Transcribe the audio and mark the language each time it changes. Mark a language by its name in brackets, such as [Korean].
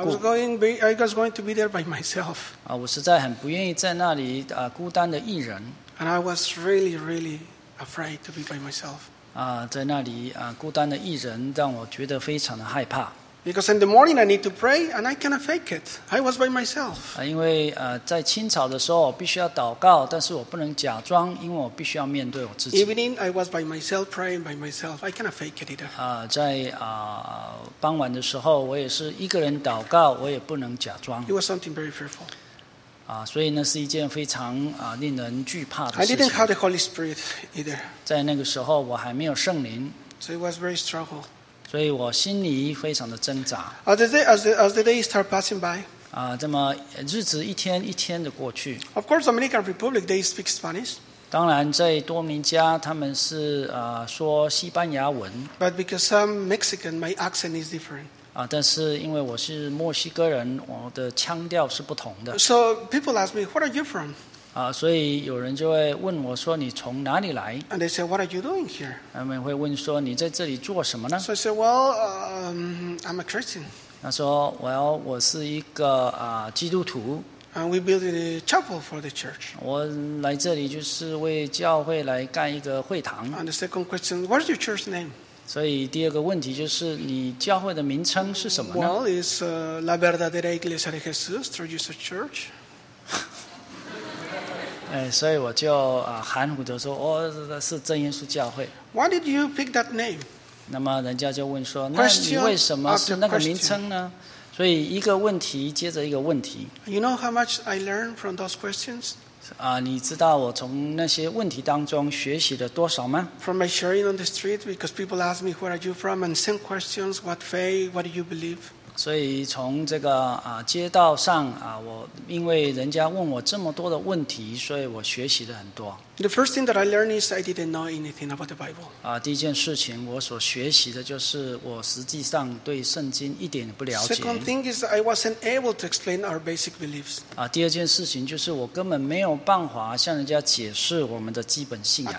[English] I was going to be there by myself. [Chinese] 我实在很不愿意在那里孤单的一人。 [English] And I was really, really afraid to be by myself. [Chinese] 在那里孤单的一人让我觉得非常的害怕。 [English] Because in the morning I need to pray, and I cannot fake it. I was by myself. [Chinese] 因为在清早的时候，我必须要祷告，但是我不能假装，因为我必须要面对我自己。 [English] Evening, I was by myself praying by myself. I cannot fake it either. [Chinese] 在傍晚的时候，我也是一个人祷告，我也不能假装。 [English] It was something very fearful. [Chinese] 所以那是一件非常令人惧怕的事情。 [English] I didn't have the Holy Spirit either. [Chinese] 在那个时候，我还没有圣灵。 [English] So it was very struggle. [Chinese] 所以我心里非常的挣扎。 [English] As the days start passing by, [Chinese] 这么日子一天一天的过去。 [English] Of course, Dominican Republic they speak Spanish. [Chinese] 当然，在多米尼加他们是说西班牙文。 [English] But because I'm Mexican, my accent is different. [Chinese] 但是因为我是墨西哥人，我的腔调是不同的。 [English] So people ask me, "Where are you from?" [Chinese] 所以有人就会问我说你从哪里来 [English] And they say, what are you doing here? [Chinese] 他们会问说你在这里做什么呢 [English] So I said, well, I'm a Christian. [Chinese] 他说 well, 我是一个、基督徒 [English] And we built a chapel for the church. [Chinese] 我来这里就是为教会来干一个会堂 [English] And the second question, what is your church name? [Chinese] 所以第二个问题就是你教会的名称是什么呢 [English] Well, it's La Verdadera Iglesia de Jesús, through Jesus Church. [Chinese] 所以我就含糊地说哦是真耶稣教会 [English] Why did you pick that name? [Chinese] 那么人家就问说那你为什么是那个名称呢所以一个问题接着一个问题 [English] You know how much I learned from those questions? [Chinese] 你知道我从那些问题当中学习了多少吗 [English] From my sharing on the street because people ask me where are you from and same questions what faith, what do you believe? [Chinese] 所以从这个街道上我因为人家问我这么多的问题，所以我学习了很多。 [English] The first thing that I learned is I didn't know anything about the Bible. [Chinese] 第一件事情我所学习的就是我实际上对圣经一点不了解。 [English] Second thing is I wasn't able to explain our basic beliefs. [Chinese] 第二件事情就是我根本没有办法向人家解释我们的基本信仰。